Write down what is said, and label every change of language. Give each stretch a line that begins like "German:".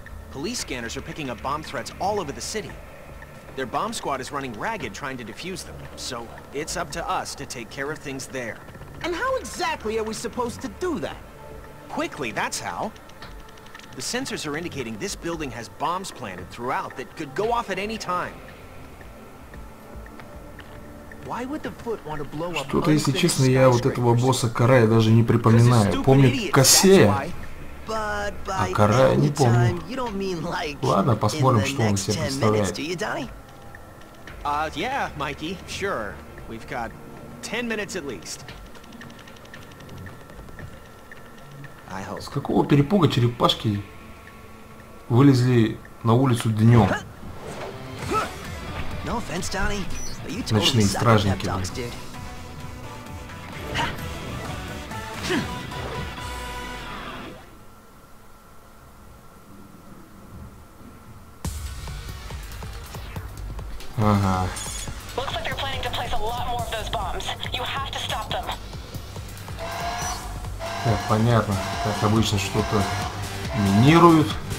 English: Police scanners are picking up bomb threats all over the city. Their bomb squad is running ragged trying to defuse them, so it's up to us to take care of things there. And how exactly are we supposed to do that? Quickly, that's how. The sensors are indicating this building has bombs planted throughout that could go off at any time. Why would the foot want to blow up?
Russian: Что-то, если честно, я вот этого босса Карая даже не припоминаю. Помню Кассея. А Карая не помню. Ладно, посмотрим, что он себе представляет.
English: Yeah, Mikey, sure. We've got 10 minutes at least.
Russian: С какого перепуга черепашки вылезли на улицу днем?
English: No offense, Donnie. But you totally
Russian: ночные стражники. Dogs, ага.
English: Looks like you're planning to place a lot more of those bombs. You have to stop them.
Russian: Так, понятно. Как обычно, что-то минируют.